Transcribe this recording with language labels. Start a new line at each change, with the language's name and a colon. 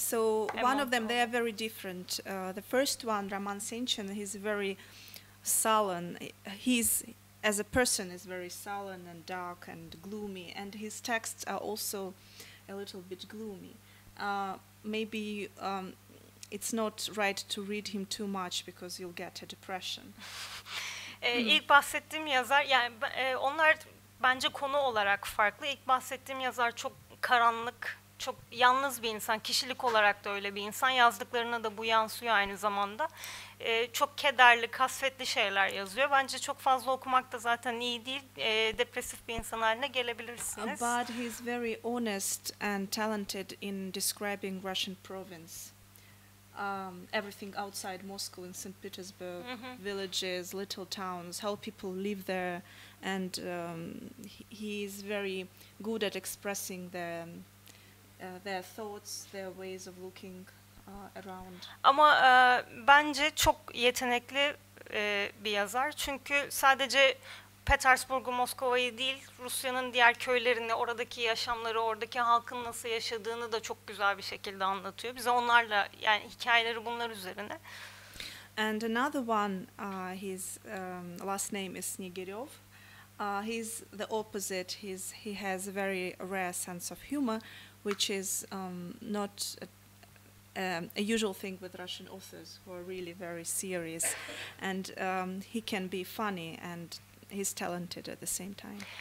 English: So one of them, they are very different. The first one, Roman Senchin, he's very sullen. He's, as a person, is very sullen and dark and gloomy, and his texts are also a little bit gloomy. Maybe it's not right to read him too much because you'll get a depression.
Turkish: İlk bahsettiğim yazar, yani onlar bence konu olarak farklı. İlk bahsettiğim yazar çok karanlık, çok yalnız bir insan. Kişilik olarak da öyle bir insan. Yazdıklarına da bu yansıyor aynı zamanda. Çok kederli, kasvetli şeyler yazıyor. Bence çok fazla okumak da zaten iyi değil. Depresif bir insan haline gelebilirsiniz.
English: But he's very honest and talented in describing Russian province. Everything outside Moscow in St. Petersburg, villages, little towns, how people live there. And he's very good at expressing their thoughts, their ways of looking.
Turkish: Ama bence çok yetenekli bir yazar. Çünkü sadece Petersburg'u, Moskova'yı değil, Rusya'nın diğer köylerini, oradaki yaşamları, oradaki halkın nasıl yaşadığını da çok güzel bir şekilde anlatıyor. Bize onlarla, yani hikayeleri bunlar üzerine.
English: And another one, his last name is Snegirov. He's the opposite. He has a very rare sense of humor, which is not a usual thing with Russian authors who are really very serious, and he can be funny and he's talented at the same time.